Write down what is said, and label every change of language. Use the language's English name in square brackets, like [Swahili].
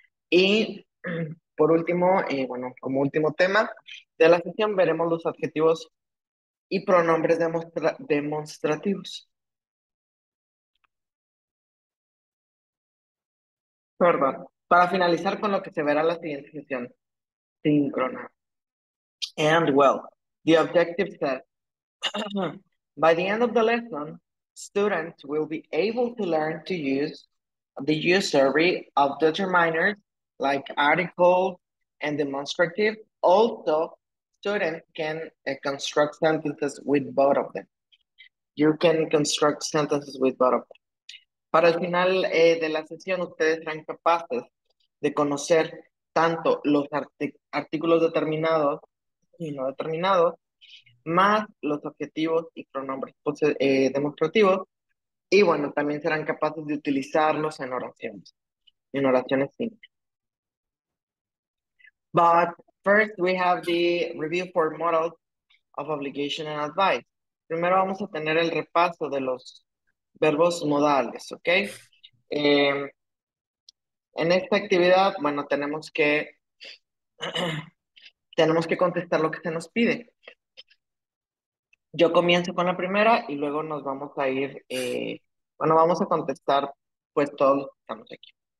[Spanish] Y por último, bueno, como último tema de la sesión, veremos los adjetivos y pronombres demostrativos. Perdón. Para finalizar con lo que se verá en la siguiente sesión, síncrona. [English] And well, the objective says, by the end of the lesson, students will be able to learn to use the usury of determiners like articles and demonstratives. Also, students can construct sentences with both of them. You can construct sentences with both of them. [Spanish] Para el final de la sesión, ustedes serán capaces de conocer tanto los artículos determinados y no determinados, más los objetivos y pronombres demostrativos, y bueno, también serán capaces de utilizarlos en oraciones simples. [English] But first we have the review for models of obligation and advice. [Spanish] Primero vamos a tener el repaso de los verbos modales, ¿ok? En esta actividad, bueno, tenemos que contestar lo que se nos pide. Yo comienzo con la primera y luego nos vamos a ir, bueno, vamos a contestar pues todos los que estamos aquí.